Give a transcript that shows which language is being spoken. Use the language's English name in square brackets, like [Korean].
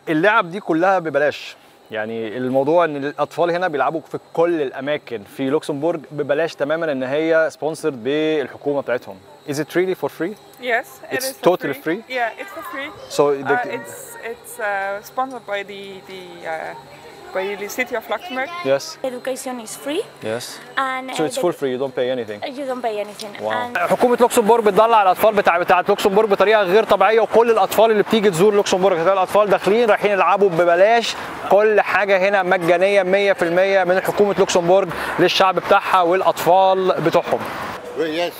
[Arabic] اللعب دي كلها ببلاش، يعني الموضوع ان الاطفال هنا بيلعبوا في كل الاماكن في لوكسمبورغ ببلاش تماما، ان هي سبونسرد بالحكومه بتاعتهم. [English] Is it really for free? Yes, it it's is totally free. Free. Yeah, it's for free. So the it's sponsored by the city of Luxembourg. Yes. Education is free. Yes. And so it's full free. You don't pay anything. You don't pay anything. Wow. [Arabic] حكومة لوكسمبورغ بتدلع على الأطفال بتاعت لوكسمبورغ بطريقة غير طبيعية، وكل الأطفال اللي بتيجي تزور لوكسمبورغ هتلاقي الأطفال داخلين رايحين يلعبوا ببلاش. كل حاجة هنا مجانية 100% من حكومة لوكسمبورغ للشعب بتاعها والأطفال بتوعهم. [English] Yes.